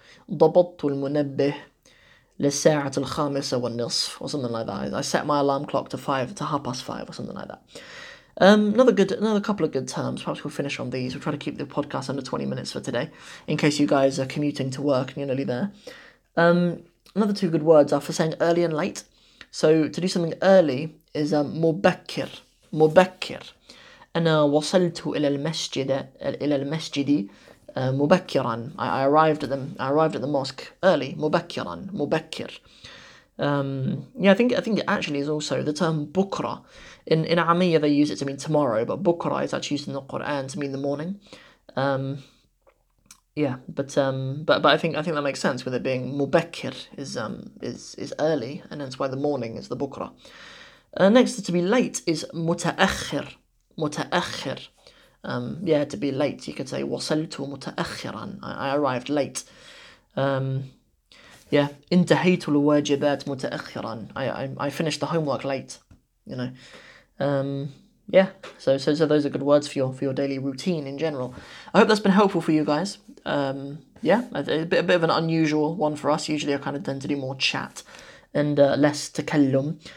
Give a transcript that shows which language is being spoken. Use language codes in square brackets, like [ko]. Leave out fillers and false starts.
[ar] ضبط المنبه لساعة الخامسة والنصف [en] or something like that. I set my alarm clock to 5:30 or something like that. Another couple of good terms. Perhaps we'll finish on these. We'll try to keep the podcast under 20 minutes for today, in case you guys are commuting to work and you're nearly there. Another two good words are for saying early and late. So to do something early is مبكر. [ar] مبكر. أنا وصلت إلى المسجد إلى المسجد مبكرا. [en] I arrived at the mosque early. [ar] مبكرا. مبكر. [en] I think it actually is also the term بكرة. In Amiya they use it to mean tomorrow, but بكرة is actually used in the Quran to mean the morning. I think that makes sense with it being مبكر is early, and that's why the morning is the بكرة. Next, to be late is متأخر. [ar] متأخر. [en] To be late, you could say [ar] وصلت متأخرا. [en] I arrived late. [ar] انتهيت الواجبات متأخرا. [en] I finished the homework late, you know. So those are good words for your daily routine in general. I hope that's been helpful for you guys. A bit of an unusual one for us. Usually I kind of tend to do more chat and less تكلم.